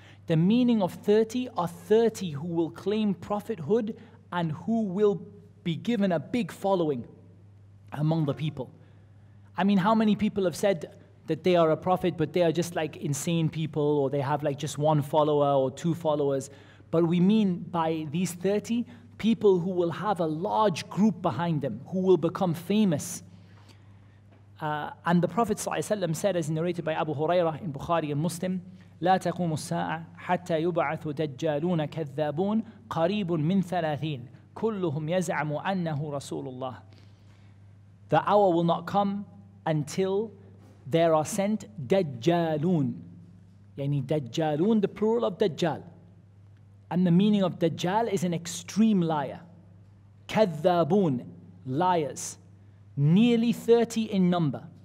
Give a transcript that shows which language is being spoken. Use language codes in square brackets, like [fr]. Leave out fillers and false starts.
[en] The meaning of 30 are 30 who will claim prophethood and who will be given a big following among the people. I mean, how many people have said that they are a prophet, but they are just like insane people, or they have like just one follower or two followers? But we mean by these 30, people who will have a large group behind them, who will become famous. And the Prophet ﷺ said, as narrated by Abu Hurairah in Bukhari and Muslim, [ar] لَا تَقُومُ السَّاعَةَ حَتَّى يُبْعَثُ دَجَّالُونَ كَذَّابُونَ قَرِيبٌ مِّن ثَلَاثِينَ كُلُّهُمْ يَزْعَمُ أَنَّهُ رَسُولُ اللَّهِ. [en] The hour will not come until there are sent دَجَّالُونَ. يعني دَجَّالُونَ, the plural of دَجَّال. And the meaning of دَجَّال is an extreme liar. كَذَّابُونَ, liars. Nearly 30 in number.